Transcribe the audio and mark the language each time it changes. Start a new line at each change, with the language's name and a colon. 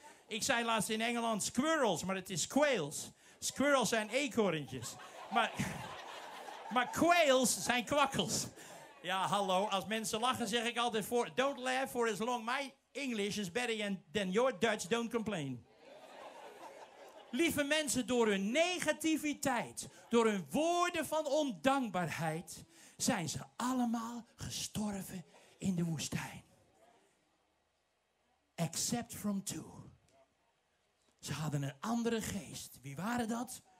Dutch: Ik zei laatst in Engeland squirrels, maar het is quails. Squirrels zijn eekhoorntjes. Maar quails zijn kwakkels. Ja, hallo. Als mensen lachen zeg ik altijd voor...
English: Don't laugh for as long. My English is better than your Dutch. Don't complain.
Dutch: Lieve mensen, door hun negativiteit, door hun woorden van ondankbaarheid, zijn ze allemaal gestorven in de woestijn.
English: Except from two.
Dutch: Ze hadden een andere geest. Wie waren dat?